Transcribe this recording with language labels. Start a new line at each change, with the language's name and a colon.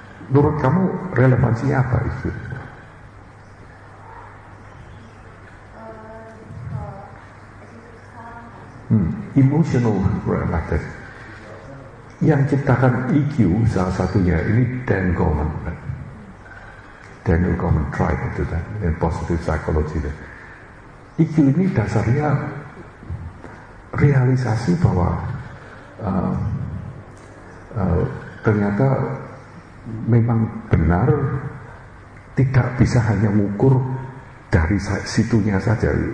Indonesian: Menurut kamu relevansinya apa EQ? Emotional matter. Yang ciptakan EQ salah satunya ini Dan Goleman.
English: Daniel Goleman tried to do that in positive psychology.
Indonesian: EQ ini dasarnya realisasi bahwa ternyata memang benar tidak bisa hanya mengukur dari situnya saja.